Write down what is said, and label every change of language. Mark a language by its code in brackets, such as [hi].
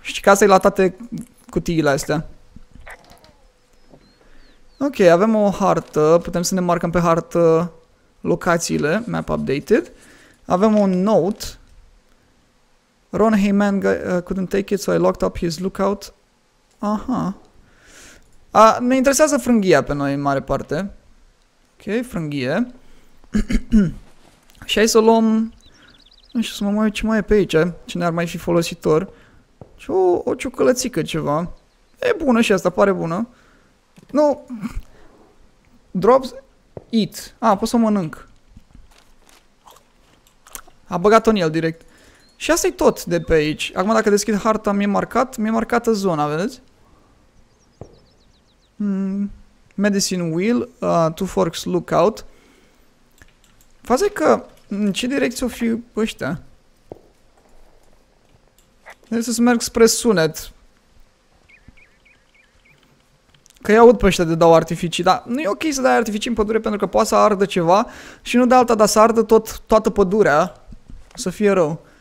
[ro] Și casa-i la toate cutiile astea. Ok, avem o hartă. Putem să ne marcăm pe hartă locațiile. [en] Map updated. [ro] Avem un note. [en] Ron Heyman couldn't take it, so I locked up his lookout. Aha. [ro] Ne interesează frânghia pe noi, în mare parte. Ok, frânghie. Și hai să luăm. Nu știu să mă mai ce mai e pe aici. Ce ne-ar mai fi folositor. Și o ciocolățică ceva. E bună și asta, pare bună. Nu. [en] Drops, eat. [ro] A, pot să mănânc. A băgat-o în el direct. Și asta e tot de pe aici. Acum dacă deschid harta, mi-e marcată zona, vedeți? [en] Medicine wheel, two forks lookout. [ro] Faza e că, în ce direcție o fi ăștia? Trebuie să merg spre sunet. Că i-aud pe ăștia de dau artificii, dar nu e ok să dai artificii în pădure pentru că poate să ardă ceva și nu de alta, dar să ardă toată pădurea. O să fie rău.